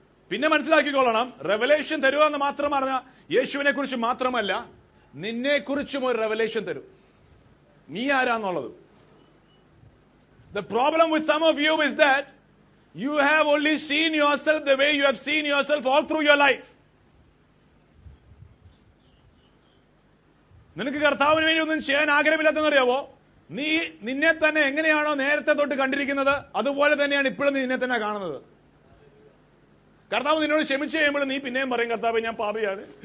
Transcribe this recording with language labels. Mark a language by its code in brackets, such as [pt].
[ml] പിന്നെ മനസ്സിലാക്കിക്കൊള്ളണം, റെവലേഷൻ തരുക എന്ന് മാത്രമാണ്, യേശുവിനെ കുറിച്ച് മാത്രമല്ല നിന്നെ കുറിച്ചും ഒരു റെവലേഷൻ തരും, നീ ആരാന്നുള്ളത്. [en] The problem with some of you is that you have only seen yourself the way you have seen yourself all through your life. [ml] നിനക്ക് കർത്താവിന് വേണ്ടി ഒന്നും ചെയ്യാൻ ആഗ്രഹമില്ലാത്തെന്ന് അറിയാവോ, നീ നിന്നെ തന്നെ എങ്ങനെയാണോ നേരത്തെ തൊട്ട് കണ്ടിരിക്കുന്നത് അതുപോലെ തന്നെയാണ് ഇപ്പോഴും നീ നിന്നെ തന്നെ കാണുന്നത്. കർത്താവ് നിന്നോട് ക്ഷമിച്ചു കഴിയുമ്പോൾ നീ പിന്നെയും പറയും, കർത്താവ് ഞാൻ പാപിയാണ്.